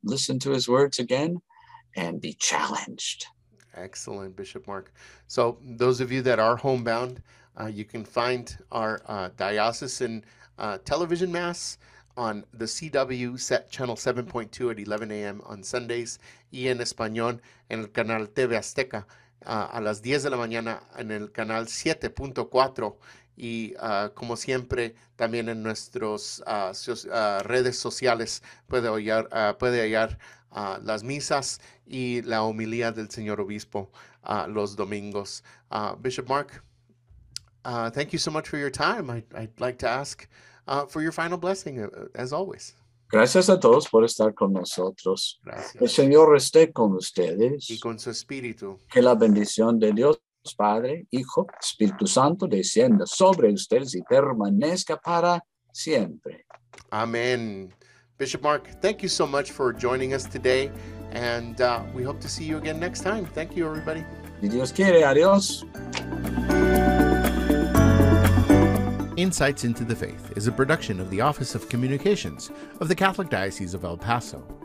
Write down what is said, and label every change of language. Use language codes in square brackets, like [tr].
[en] Listen to his words again and be challenged. Excellent, Bishop Mark. So those of you that are homebound, you can find our diocesan television mass on the CW set channel 7.2 at 11 a.m. on Sundays, [es] y en español en el canal TV Azteca a las 10 de la mañana en el canal 7.4. Y como siempre, también en nuestras redes sociales puede hallar las misas y la homilía del señor obispo los domingos. [en] Bishop Mark, thank you so much for your time. I'd like to ask for your final blessing, as always. [es] Gracias a todos por estar con nosotros. Gracias. El Señor esté con ustedes. Y con su espíritu. Que la bendición de Dios, Padre, Hijo, Espíritu Santo, descienda sobre ustedes y permanezca para siempre. Amén. [en] Bishop Mark, thank you so much for joining us today, and we hope to see you again next time. Thank you, everybody. [es] Si Dios quiere, adios. [en] Insights into the Faith is a production of the Office of Communications of the Catholic Diocese of El Paso.